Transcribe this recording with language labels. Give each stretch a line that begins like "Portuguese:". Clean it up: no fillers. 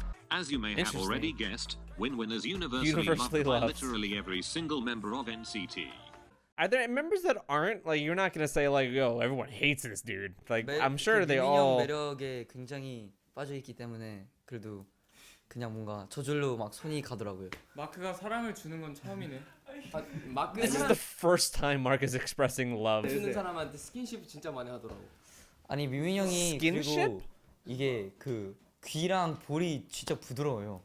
English: As you may have already guessed, Win-Win is universally loved by literally every single member of NCT. Are there members that aren't? Like, you're not gonna say like, yo, everyone hates this dude. Like, I'm sure they all...
Korean: 매력에 굉장히 빠져있기 때문에 그래도 그냥 뭔가 저절로 막 손이 가더라고요. 마크가 사랑을 주는 건 처음이네.
English: This is the first time Mark is expressing love.
Korean: 주는 사람한테 스킨십 진짜 많이 하더라고. 아니, 민민 형이 그리고 이게 그 귀랑 볼이 진짜 부드러워요.